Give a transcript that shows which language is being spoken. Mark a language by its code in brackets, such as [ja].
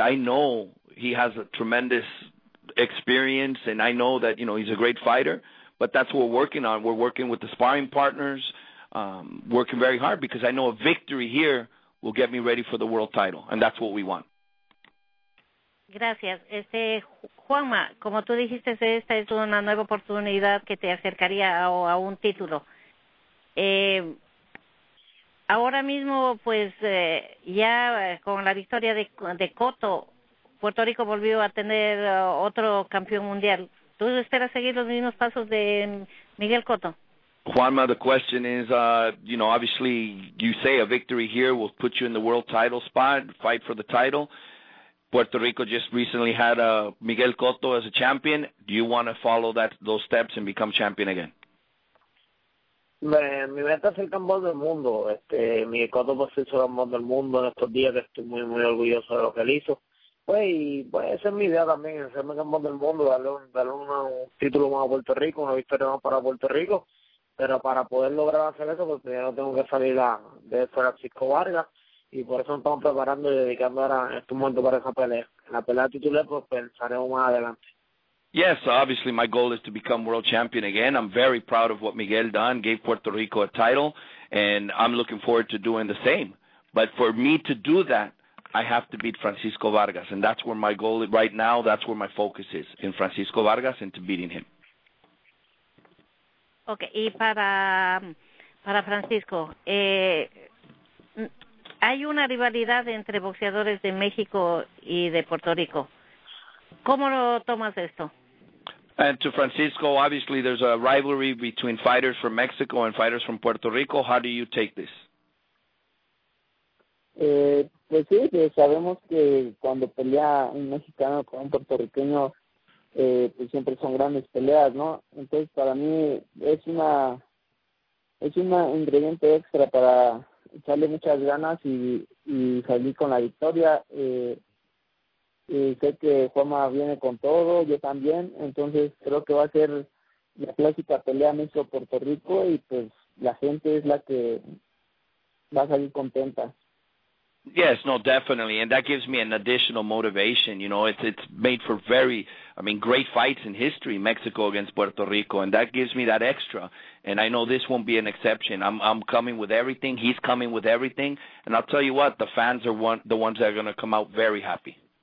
[en] I know he has a tremendous experience, and I know that, you know, he's a great fighter, but that's what we're working on. We're working with the sparring partners, working very hard, because I know a victory here will get me ready for the world title, and that's what we want. [es] Gracias. Juanma, como tú dijiste, esta es una nueva oportunidad que te acercaría a un título. Ahora mismo, pues, ya con la victoria de Cotto, Puerto Rico volvió a tener otro campeón mundial. ¿Tú esperas seguir los mismos pasos de Miguel Cotto? [en] Juanma, the question is, you know, obviously you say a victory here will put you in the world title spot, fight for the title. Puerto Rico just recently had Miguel Cotto as a champion. Do you want to follow those steps and become champion again? [es] Mi meta es el campeón del mundo. Miguel Cotto pues es el campeón del mundo en estos días, que estoy muy, muy orgulloso de lo que él hizo. Pues esa es mi idea también, ser el campeón del mundo, darle un título más a Puerto Rico, una victoria más para Puerto Rico. Pero para poder lograr hacer eso, pues primero tengo que salir de Francisco Vargas. Y por eso nos estamos preparando y dedicando ahora este momento para esa pelea. La pelea titular, pues pensaremos más adelante. [en] Yes, obviously my goal is to become world champion again. I'm very proud of what Miguel done, gave Puerto Rico a title, and I'm looking forward to doing the same. But for me to do that, I have to beat Francisco Vargas, and that's where my goal is right now. That's where my focus is, in Francisco Vargas and to beating him. [es] Okay, y para Francisco, hay una rivalidad entre boxeadores de México y de Puerto Rico. ¿Cómo lo tomas esto? [en] And to Francisco, obviously there's a rivalry between fighters from Mexico and fighters from Puerto Rico. How do you take this? [es] Pues sí, sabemos que cuando pelea un mexicano con un puertorriqueño, pues siempre son grandes peleas, ¿no? Entonces para mí es una ingrediente extra para echarle muchas ganas y salir con la victoria. Sé que Juanma viene con todo, yo también, entonces creo que va a ser la clásica pelea México-Puerto Rico y pues la gente es la que va a salir contenta. [en] Yes, no, definitely, and that gives me an additional motivation. You know, it's made for very, I mean, great fights in history, Mexico against Puerto Rico, and that gives me that extra, and I know this won't be an exception. I'm coming with everything, he's coming with everything, and I'll tell you what, the fans are the ones that are going to come out very happy.